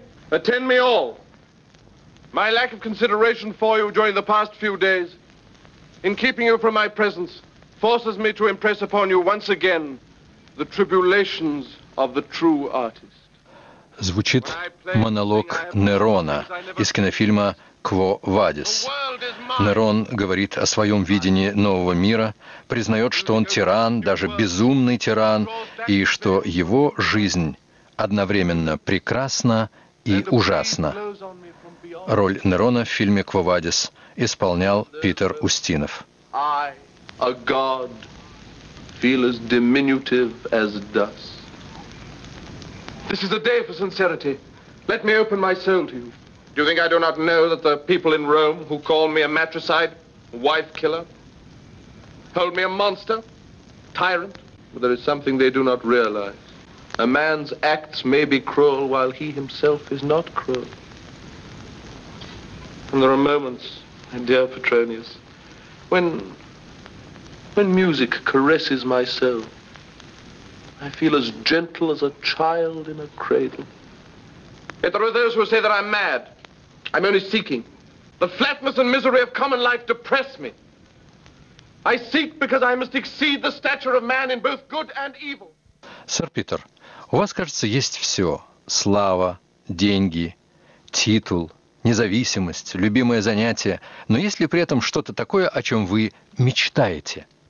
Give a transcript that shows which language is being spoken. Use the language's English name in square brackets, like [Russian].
[English] Attend me all. My lack of consideration for you during the past few days, in keeping you from my presence, forces me to impress upon you once again the tribulations of the true artist. [Russian] Звучит монолог Нерона из кинофильма «Кво Вадис». Нерон говорит о своем видении нового мира, признает, что он тиран, даже безумный тиран, и что его жизнь одновременно прекрасна и ужасна. Роль Нерона в фильме «Кво Вадис» исполнял Питер Устинов. [English] I, a god, feel as diminutive as dust. This is a day for sincerity. Let me open my soul to you. Do you think I do not know that the people in Rome who call me a matricide wife killer, hold me a monster, tyrant. But there is something they do not realize. A man's acts may be cruel while he himself is not cruel. And there are moments, my dear Petronius, when music caresses my soul, I feel as gentle as a child in a cradle. Yet there are those who say that I'm mad. I'm only seeking. The flatness and misery of common life depress me. I seek because I must exceed the stature of man in both good and evil. [Russian] Сэр Питер, у вас, кажется, есть все. Слава, деньги, титул, независимость, любимое занятие. Но есть ли при этом что-то такое, о чем вы мечтаете?